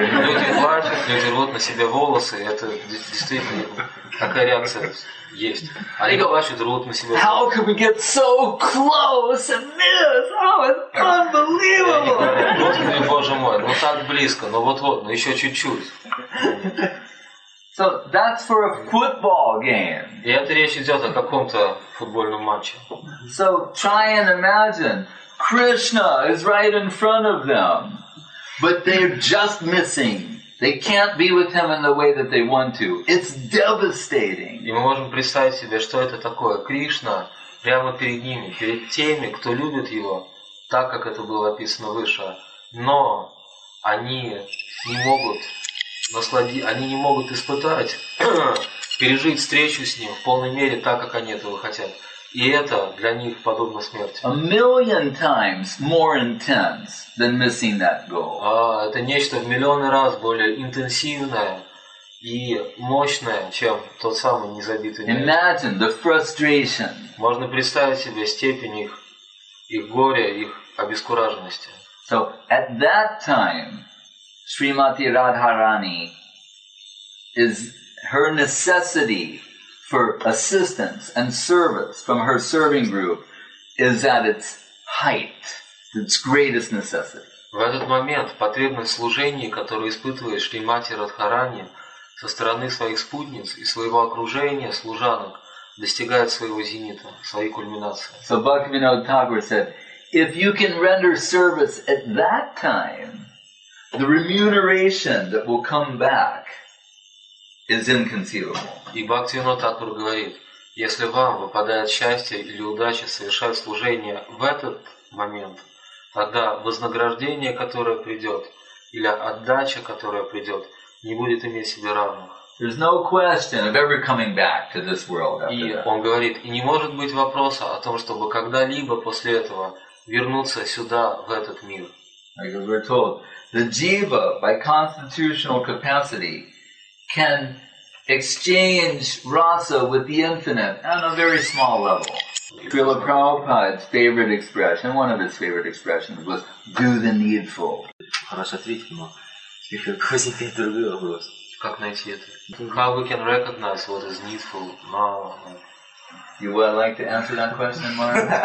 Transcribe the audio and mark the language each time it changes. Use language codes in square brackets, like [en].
[ru] Люди плачут, люди рвут на себе волосы, это действительно такая реакция. Есть. [en] How could we get so close and miss? Oh, it's unbelievable! [ru] Боже мой, ну так близко, но вот-вот, но еще чуть-чуть. [en] So that's for a football game. [ru] И это речь идет о каком-то футбольном матче. [en] So try and imagine, Krishna is right in front of them, but they're just missing. They can't be with him in the way that they want to. It's devastating. [ru] И мы можем представить себе, что это такое. Кришна прямо перед ними, перед теми, кто любит его, так как это было описано выше, но они не могут насладить, они не могут испытать, пережить встречу с ним в полной мере, так как они этого хотят. И это для них подобно смерти. [en] A million times more intense than missing that goal. [ru] Это нечто в миллионы раз более интенсивное и мощное, чем тот самый незабитый мяч. [en] Imagine the frustration. [ru] Можно представить себе степень их горя, их обескураженности. [en] So at that time, Srimati Radharani is her necessity for assistance and service from her serving group is at its height, its greatest necessity. [ru] В этот момент потребность служения, которую испытывает Шримати Радхарани со стороны своих спутниц и своего окружения служанок, достигает своего зенита, своей кульминации. [en] So Bhaktivinoda Thakur said, if you can render service at that time, the remuneration that will come back is inconceivable. [ru] И Бхактивинода Тхакур говорит, если вам выпадает счастье или удача совершать служение в этот момент, тогда вознаграждение, которое придет, или отдача, которая придет, не будет иметь себе равных. [en] There's no question of ever coming back to this world after that. [ru] И он говорит, и не может быть вопроса о том, чтобы когда-либо после этого вернуться сюда, в этот мир. [en] Like we're told, the jiva, by constitutional capacity, can exchange rasa with the infinite on a very small level. Srila Prabhupada's favorite expression, one of his favorite expressions, was do the needful. [ru] Хороший ответ, но теперь возникает другой вопрос. Как найти это? [en] How we can recognize what is needful? No. You would like to answer that question, Mark?